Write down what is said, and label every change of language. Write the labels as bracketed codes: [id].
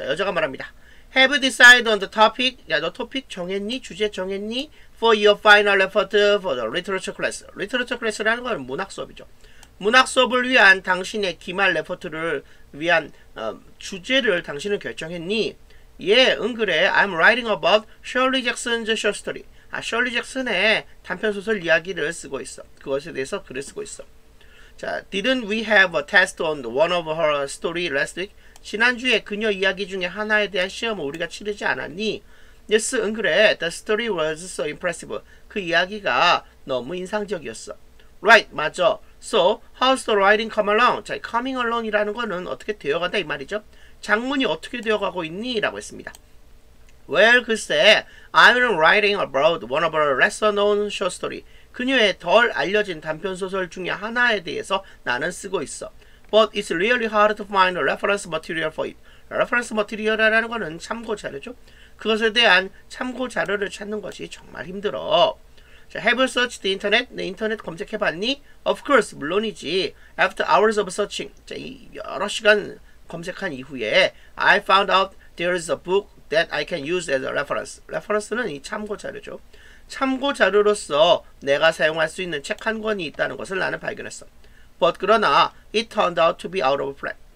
[ko] 자, 여자가 말합니다. [en] Have you decided on the topic? [ko] 야, 너 토픽 정했니? 주제 정했니? [en] For your final effort for the literature class. [ko] Literature class라는 건 문학 수업이죠. 문학 수업을 위한 당신의 기말 레포트를 위한 주제를 당신은 결정했니? [en] 예, [ko] 응, 그래. [en] I'm writing about Shirley Jackson's short story. [ko] 아, Shirley Jackson의 단편소설 이야기를 쓰고 있어. 그것에 대해서 글을 쓰고 있어. [en] 자, didn't we have a test on one of her story last week? [ko] 지난주에 그녀 이야기 중에 하나에 대한 시험을 우리가 치르지 않았니? [en] Yes, [ko] 응, 그래. [en] The story was so impressive. [ko] 그 이야기가 너무 인상적이었어. [en] Right, [ko] 맞아. [en] So, how's the writing come along? 자, [ko] coming along이라는 거는 어떻게 되어간다 이 말이죠. 장문이 어떻게 되어가고 있니? 라고 했습니다. [en] Well, [ko] 글쎄, [en] I'm writing about one of her lesser known short story. [ko] 그녀의 덜 알려진 단편소설 중에 하나에 대해서 나는 쓰고 있어. [en] But it's really hard to find a reference material for it. [ko] Reference material이라는 거는 참고 자료죠. 그것에 대한 참고 자료를 찾는 것이 정말 힘들어. [en] Have you searched the internet? [ko] 내 인터넷 검색해봤니? [en] Of course, [ko] 물론이지. [en] After hours of searching, [ko] 여러 시간 검색한 이후에 [en] I found out there is a book that I can use as a reference. [ko] Reference는 이 참고 자료죠. 참고 자료로서 내가 사용할 수 있는 책한 권이 있다는 것을 나는 발견했어. [en] But [ko] 그러나 [en] it turned out to be out of print.